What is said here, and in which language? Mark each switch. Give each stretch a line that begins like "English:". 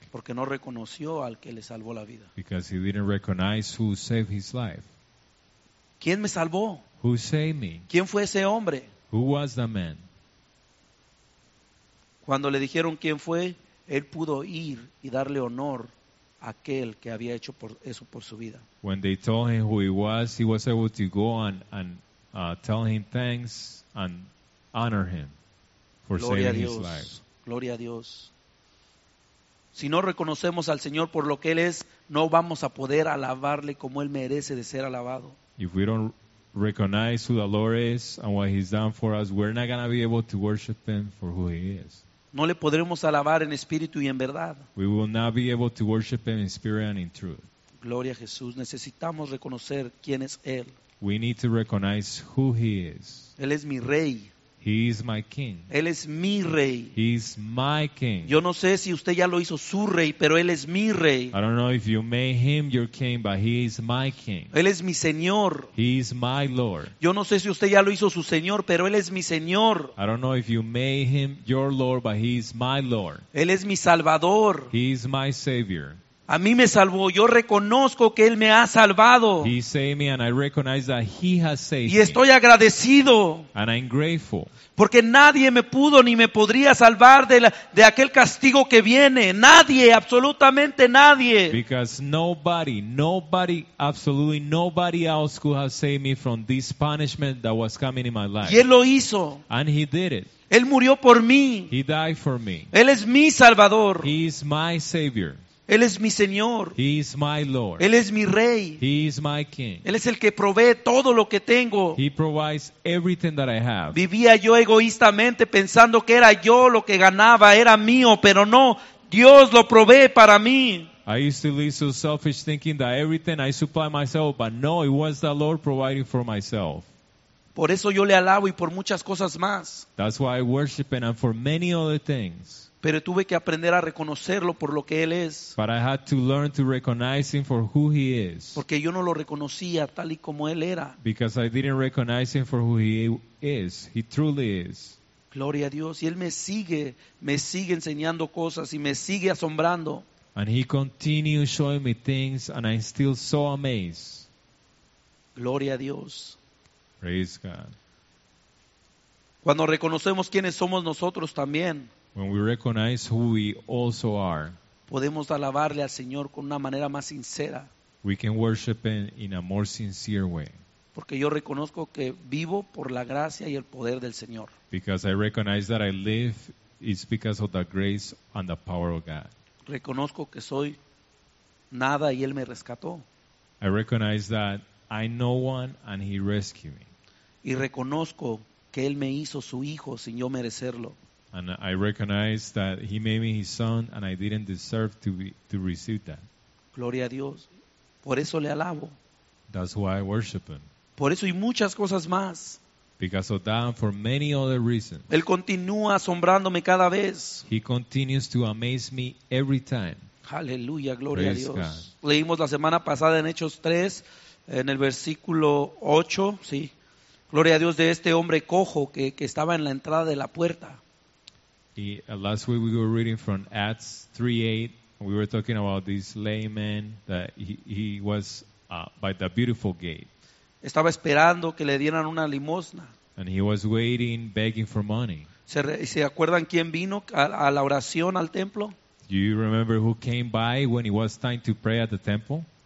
Spanish: Porque no reconoció al que le salvó la vida.
English: Because he didn't recognize who saved his life.
Spanish: ¿Quién me salvó?
English: Who saved me?
Spanish: ¿Quién fue ese hombre?
English: Who was the man?
Spanish: Cuando le dijeron quién fue, él pudo ir y darle honor a aquel que había hecho eso por su vida.
English: When they told him who he was able to go and tell him thanks and honor him for
Spanish: Gloria
English: saving
Spanish: a Dios.
English: His life.
Spanish: Gloria a Dios. Si no reconocemos al Señor por lo que Él es, no vamos a poder alabarle como Él merece de ser alabado.
English: If we don't recognize who the Lord is and what He's done for us, we're not going to be able to worship Him for who He is.
Spanish: No le podremos alabar en espíritu y en verdad.
English: We will not be able to worship Him in spirit and in truth.
Spanish: Gloria a Jesús. Necesitamos reconocer quién es Él.
English: We need to recognize who He is.
Spanish: Él es mi Rey.
English: He is my King.
Spanish: Él es mi Rey.
English: He is my King.
Spanish: Yo no sé si usted ya lo hizo su Rey, pero Él es mi Rey.
English: I don't know if you made Him your King, but He is my King.
Spanish: Él es mi Señor.
English: He is my Lord.
Spanish: Yo no sé si usted ya lo hizo su Señor, pero Él es mi Señor.
English: I don't know if you made Him your Lord, but He is my Lord.
Spanish: Él es mi Salvador.
English: He is my Savior.
Spanish: A mí me salvó. Yo reconozco que Él me ha salvado.
English: He saved me and I recognize that He has saved me.
Spanish: Y estoy agradecido.
English: And I'm grateful.
Spanish: Porque nadie me pudo ni me podría salvar de aquel castigo que viene. Nadie, absolutamente nadie.
English: Because nobody, absolutely nobody else could have saved me from this punishment that was coming in my life.
Spanish: Y Él lo hizo.
English: And He did it.
Spanish: Él murió por mí.
English: He died for me.
Spanish: Él es mi Salvador.
English: He is my Savior.
Spanish: Él es mi Señor.
English: He is my Lord.
Spanish: Él es mi Rey.
English: He is my King.
Spanish: Él es el que provee todo lo que tengo.
English: He provides everything that I have.
Spanish: Vivía yo egoístamente pensando que era yo lo que ganaba, era mío, pero no, Dios lo provee para mí.
English: I used to live so selfish thinking that everything I supply myself, but no, it was the Lord providing for myself.
Spanish: Por eso yo le alabo y por muchas cosas más.
English: That's why I worship Him and for many other things.
Spanish: Pero tuve que aprender a reconocerlo por lo que Él es.
English: But I had to learn to recognize Him for who He is.
Spanish: Porque yo no lo reconocía tal y como Él era.
English: Because I didn't recognize Him for who He is. He truly is.
Spanish: Gloria a Dios. Y Él me sigue enseñando cosas y me sigue asombrando.
English: And He continues showing me things and I'm still so amazed.
Spanish: Gloria a Dios.
English: Praise God.
Spanish: Cuando reconocemos quiénes somos nosotros también.
English: When we recognize who we also are,
Spanish: podemos alabarle al Señor con una manera más sincera.
English: We can worship him in a more sincere way.
Spanish: Porque yo reconozco que vivo por la gracia y el poder del Señor.
English: Because I recognize that I live is because of the grace and the power of God.
Spanish: Reconozco que soy nada y él me rescató.
English: I recognize that I'm no one and he rescued me.
Spanish: Y reconozco que él me hizo su hijo sin yo merecerlo.
English: And I recognize that he made me his son and I didn't deserve to receive that.
Spanish: Gloria a Dios. Por eso le alabo.
English: That's why I worship him.
Spanish: Por eso y muchas cosas más.
English: Because of that, for many other reasons.
Spanish: Él continúa asombrándome cada vez.
English: He continues to amaze me every time.
Spanish: Aleluya, gloria a Dios. God. Leímos la semana pasada en Hechos 3, en el versículo 8, sí. Gloria a Dios de este hombre cojo que estaba en la entrada de la puerta.
English: Y last week we were reading from Acts 3:8. We were talking about this layman that he was by the beautiful gate.
Spanish: Estaba esperando que le dieran una limosna.
English: And he was waiting, begging for money.
Spanish: ¿Se acuerdan quién vino a la oración al templo?
English: Do you remember who came by when it was time to pray at the temple?